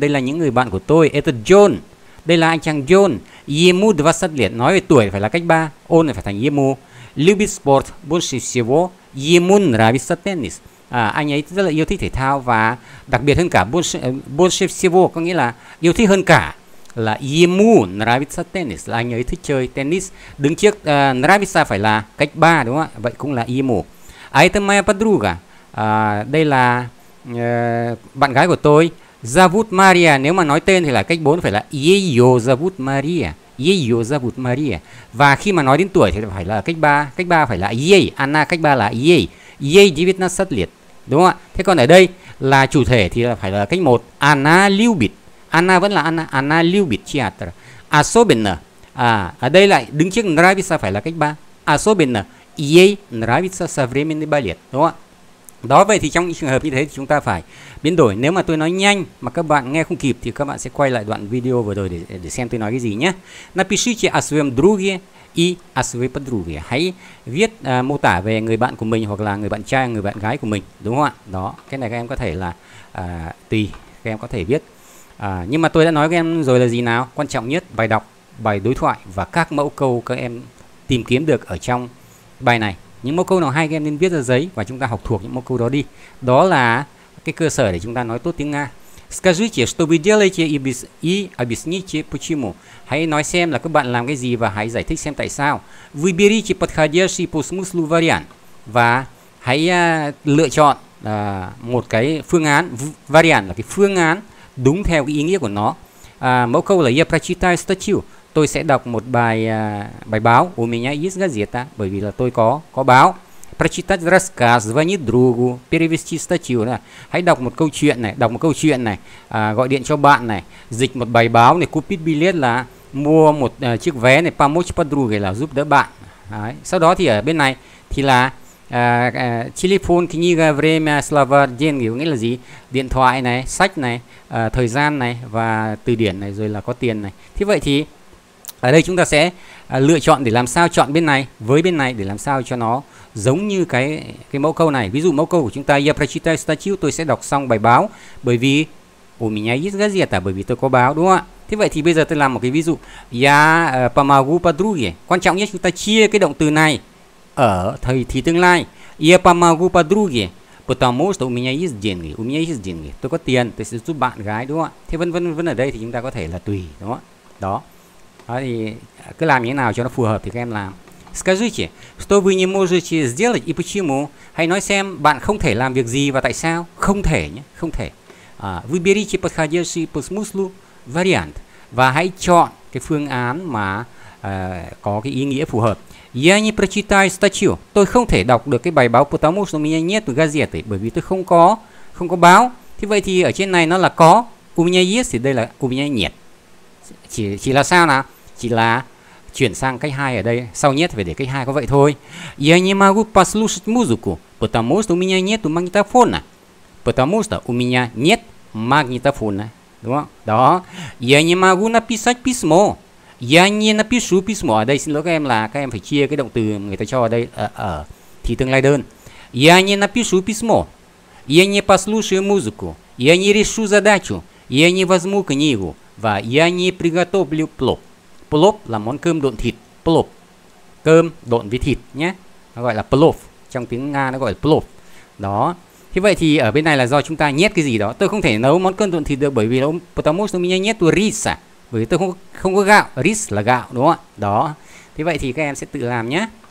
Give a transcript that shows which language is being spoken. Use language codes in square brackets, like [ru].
[vi] Đây là những người bạn của tôi. [ru] Это Джон. [vi] Đây là anh chàng Джон. [ru] Ему 20 лет. [vi] Nói về tuổi phải là cách 3. [ru] Он [vi] phải thành [ru] ему. Любит спорт больше всего. Ему нравится теннис. [vi] Anh ấy rất là yêu thích thể thao và đặc biệt hơn cả [ru] больше всего [vi] có nghĩa là yêu thích hơn cả là [ru] ему нравится теннис, [vi] là anh ấy thích chơi tennis. Đứng trước нравится phải là cách 3 đúng không ạ? Vậy cũng là [ru] ему. А это моя подруга. [vi] Đây là bạn gái của tôi. [ru] Зовут Мария. [vi] Nếu mà nói tên thì là cách 4 phải là [ru] ее зовут Мария. Ее зовут Мария. [vi] Và khi mà nói đến tuổi thì phải là cách 3. Cách 3 phải là [ru] ей. [vi] Anna cách 3 là ей. [ru] Ей 19 лет. [vi] Đúng không ạ? Thế còn ở đây là chủ thể thì phải là cách 1. Anna [ru] любит. [vi] Anna vẫn là Anna. [ru] Anna любит театр. Особенно. [vi] Ở đây lại đứng trước нравится phải là cách 3. [ru] Особенно. Ей нравится современный балет. [vi] Đúng không ạ? Đó, vậy thì trong những trường hợp như thế thì chúng ta phải biến đổi. Nếu mà tôi nói nhanh mà các bạn nghe không kịp thì các bạn sẽ quay lại đoạn video vừa rồi để xem tôi nói cái gì nhé. [ru] Напишите о своем друге и о своей подруге. [vi] Hãy viết mô tả về người bạn của mình hoặc là người bạn trai, người bạn gái của mình. Đúng không ạ? Đó, cái này các em có thể là tùy, các em có thể viết. Nhưng mà tôi đã nói với các em rồi là gì nào? Quan trọng nhất, bài đọc, bài đối thoại và các mẫu câu các em tìm kiếm được ở trong bài này. Những mẫu câu nào hay các em nên viết ra giấy và chúng ta học thuộc những mẫu câu đó đi. Đó là cái cơ sở để chúng ta nói tốt tiếng Nga. [ru] Скажите, что вы делаете и объясните почему. [vi] Hãy nói xem là các bạn làm cái gì và hãy giải thích xem tại sao. [ru] Выберите подходящий по смыслу вариант. [vi] Và hãy lựa chọn một cái phương án. Вариант là cái phương án đúng theo cái ý nghĩa của nó. Mẫu câu là [ru] я прочитаю статью. [vi] Tôi sẽ đọc một bài bài báo. [ru] У меня есть газета, [vi] bởi vì là tôi có báo. [ru] Прочитать рассказ, звонить другу, перевести статью. [vi] Hãy đọc một câu chuyện này, gọi điện cho bạn này, dịch một bài báo này, [ru] купить билет [vi] là mua một chiếc vé này, [ru] помочь подруге [vi] là giúp đỡ bạn. Đấy. Sau đó thì ở bên này thì là [ru] телефон, книга, время, слова, деньги, [vi] nghĩa là gì? Điện thoại này, sách này, thời gian này và từ điển này, rồi là có tiền này. Thế vậy thì ở đây chúng ta sẽ lựa chọn để làm sao chọn bên này với bên này để làm sao cho nó giống như cái mẫu câu này. Ví dụ mẫu câu của chúng ta [ru] я прочитаю статью, [vi] tôi sẽ đọc xong bài báo bởi vì [ru] у меня есть газета, [vi] bởi vì tôi có báo, đúng không ạ? Thế vậy thì bây giờ tôi làm một cái ví dụ. [ru] Я помогу подруге. [vi] Quan trọng nhất chúng ta chia cái động từ này ở thời thì tương lai. [ru] Я помогу подруге, потому что у меня есть деньги. У меня есть деньги. [vi] Tôi có tiền, tôi sẽ giúp bạn gái, đúng không ạ? Thế vân vân vân ở đây thì chúng ta có thể là tùy, đúng không ạ? Đó. Đó thì cứ làm như thế nào cho nó phù hợp thì các em làm. [ru] Скажите, что вы не можете сделать и почему? [vi] Hãy nói xem bạn không thể làm việc gì và tại sao? Không thể nhé, không thể. [ru] Выберите подходящий по смыслу вариант. [vi] Và hãy chọn cái phương án mà có cái ý nghĩa phù hợp. [ru] Я не прочитаю статью. [vi] Tôi không thể đọc được cái bài báo, [ru] потому что у меня нет газеты, [vi] bởi vì tôi không có báo. Thế vậy thì ở trên này nó là có, [ru] у меня есть, [vi] thì đây là [ru] у меня нет. [vi] Chỉ là sao nào? Chỉ là chuyển sang cách hai ở đây, sau нет phải để cách hai có vậy thôi. [ru] Я не могу послушать музыку, потому что у меня нет магнитофона. Потому что у меня нет магнитофона. [vi] Đúng không? Đó. [ru] Я не могу написать письмо. Я не напишу письмо. [vi] Ở đây xin lỗi các em là các em phải chia cái động từ người ta cho ở đây ở thì tương lai đơn. [ru] Я не напишу письмо. Я не послушаю музыку. Я не решу задачу. Я не возьму книгу. Và я не приготовлю плов. [vi] Плов là món cơm độn thịt. Плов. Cơm độn với thịt nhé. Nó gọi là плов. Trong tiếng Nga nó gọi là плов. Đó. Thế vậy thì ở bên này là do chúng ta nhét cái gì đó. Tôi không thể nấu món cơm độn thịt được bởi vì nó [ru] потому что у меня нету риса. [vi] Bởi vì tôi không có gạo. Рис là gạo, đúng không ạ? Đó. Thế vậy thì các em sẽ tự làm nhé.